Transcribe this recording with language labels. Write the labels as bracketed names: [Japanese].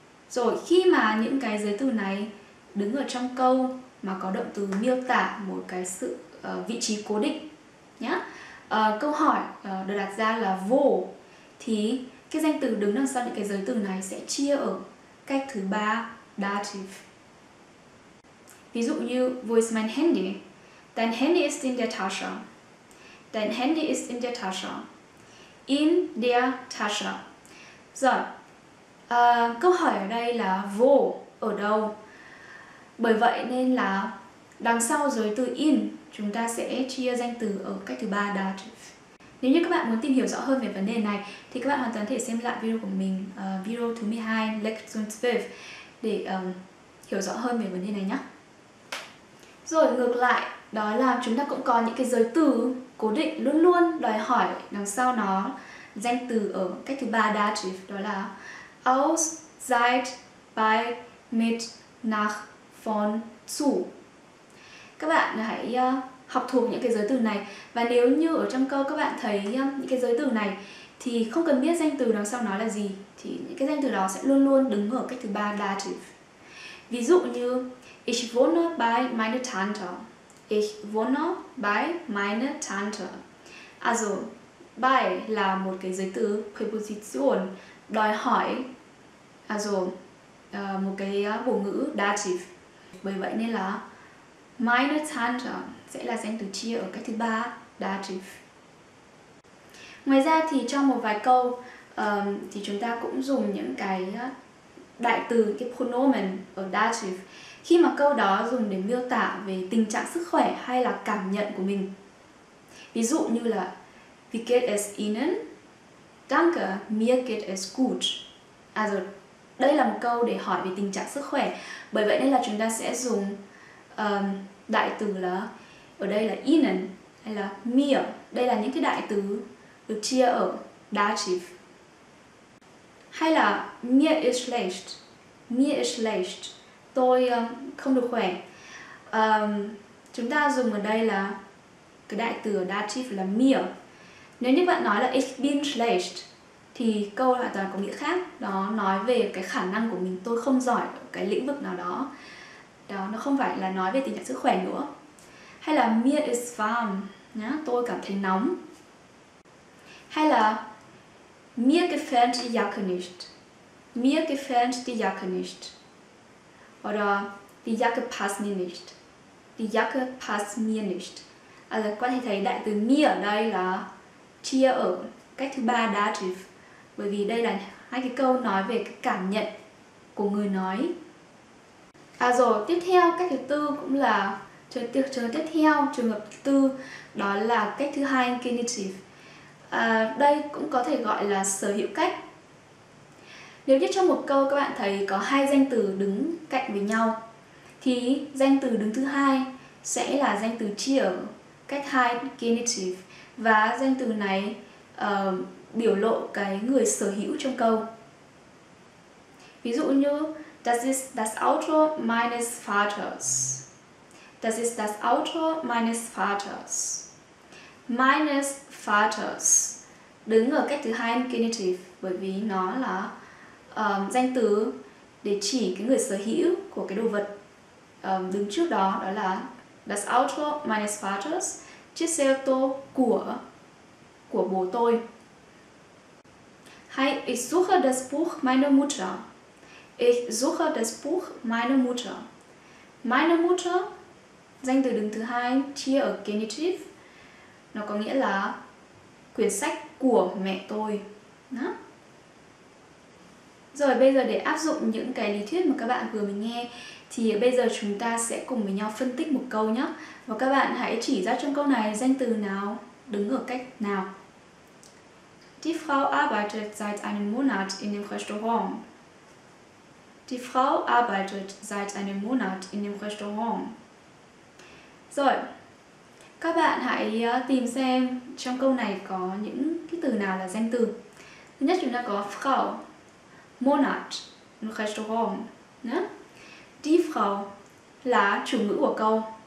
[Vietnamese] Rồi khi mà những cái giới từ này đứng ở trong câu mà có động từ miêu tả một cái sự vị trí cố định nhá. Câu hỏi được đặt ra là wo thì cái danh từ đứng đằng sau những cái giới từ này sẽ chia ở cách thứ ba dative. Ví dụ như [German] wo ist mein Handy? Dein Handy ist in der Tasche. Dein Handy ist in der Tasche. In der Tasche. [Vietnamese] Rồi, câu hỏi ở đây là wo, ở đâu? Bởi vậy nên là đằng sau giới từ in, chúng ta sẽ chia danh từ ở cách thứ ba dative. Nếu như các bạn muốn tìm hiểu rõ hơn về vấn đề này, thì các bạn hoàn toàn thể xem lại video của mình, video thứ 12, Lektion 12, để hiểu rõ hơn về vấn đề này nhé. Rồi, ngược lại, đó là chúng ta cũng có những cái giới từ cố định luôn luôn đòi hỏi đằng sau nó danh từ ở cách thứ ba dative, đó là aus, seit, bei, mit, nach, von, zu. Các bạn hãy học thuộc những cái giới từ này, và nếu như ở trong câu các bạn thấy những cái giới từ này thì không cần biết danh từ đằng sau nó là gì thì những cái danh từ đó sẽ luôn luôn đứng ở cách thứ ba dative. Ví dụ như [German] ich wohne bei meiner Tante. Ich wohne bei meiner Tante. [Vietnamese] Also, bei là một cái giới từ preposition đòi hỏi, also một cái bổ ngữ dative. Bởi vậy nên là meine Tante sẽ là danh từ chia ở cách thứ ba dative. Ngoài ra thì trong một vài câu thì chúng ta cũng dùng những cái đại từ, cái pronomen ở dative, khi mà câu đó dùng để miêu tả về tình trạng sức khỏe hay là cảm nhận của mình. Ví dụ như là [German] Wie geht es Ihnen? Danke, mir geht es gut. [Vietnamese] À rồi, đây là một câu để hỏi về tình trạng sức khỏe. Bởi vậy nên là chúng ta sẽ dùng đại từ là, ở đây là Ihnen hay là mir. Đây là những cái đại từ được chia ở dative. Hay là [German] mir ist schlecht. Mir ist schlecht. [Vietnamese] Tôi không được khỏe. Chúng ta dùng ở đây là cái đại từ ở dative là mir. Nếu như bạn nói là [German] ich bin schlecht [Vietnamese] thì câu hoàn toàn có nghĩa khác. Đó nói về cái khả năng của mình, tôi không giỏi ở cái lĩnh vực nào đó. Đó, nó không phải là nói về tình trạng sức khỏe nữa. Hay là [German] mir ist warm, [Vietnamese] nhá, tôi cảm thấy nóng. Hay là [German] mir gefällt die Jacke nicht. Mir gefällt die Jacke nicht. Oder die Jacke passt mir nicht. Die Jacke passt mir nicht. [Vietnamese] Also, quan hệ thấy đại từ mir ở đây là chia ở cách thứ ba dative, bởi vì đây là hai cái câu nói về cái cảm nhận của người nói. À rồi, tiếp theo cách thứ tư cũng là trường hợp thứ tư, đó là cách thứ hai genitive. À, đây cũng có thể gọi là sở hữu cách. Nếu như trong một câu các bạn thấy có hai danh từ đứng cạnh với nhau thì danh từ đứng thứ hai sẽ là danh từ chia ở cách hai genitive, và danh từ này biểu lộ cái người sở hữu trong câu. [German] Ví dụ như Das ist das Auto meines Vaters. Das ist das Auto meines Vaters. [Vietnamese] Meines Vaters đứng ở cách thứ hai genitive, bởi vì nó là danh từ để chỉ cái người sở hữu của cái đồ vật đứng trước đó. Đó là [German] Das Auto meines Vaters, [Vietnamese] chiếc xe ô tô của bố tôi. Hay [German] Ich suche das Buch meiner Mutter. Ich suche das Buch meiner Mutter. [Vietnamese] Meine Mutter, danh từ đứng thứ hai chia ở genitive, nó có nghĩa là quyển sách của mẹ tôi. Đó. Rồi bây giờ để áp dụng những cái lý thuyết mà các bạn vừa mới nghe thì bây giờ chúng ta sẽ cùng với nhau phân tích một câu nhé. Và các bạn hãy chỉ ra trong câu này danh từ nào đứng ở cách nào. [German] Die Frau arbeitet seit einem Monat in dem Restaurant. Die Frau arbeitet seit einem Monat in dem Restaurant. [Vietnamese] Rồi, các bạn hãy tìm xem trong câu này có những cái từ nào là danh từ. Thứ nhất chúng ta có Frau, Monat, Restaurant. Nhá? Die Frau là chủ ngữ của câu.